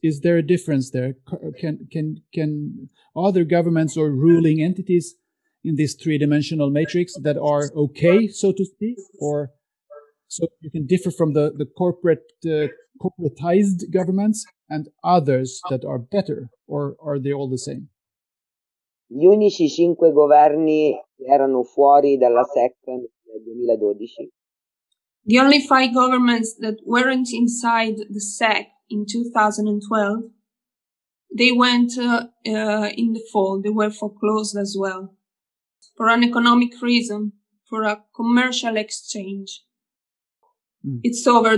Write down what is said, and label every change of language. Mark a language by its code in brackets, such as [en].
[en] Is there a difference there? Can other governments or ruling entities in this three-dimensional matrix that are okay, so to speak, or so you can differ from the corporate corporatized governments and others that are better, or are they all the same? [it] Gli unici cinque governi erano fuori dalla SEC nel 2012. [en] The only five governments that weren't inside the SEC in 2012, they went in the fall. They were foreclosed as well. For an economic reason, for a commercial exchange. Mm. It's over.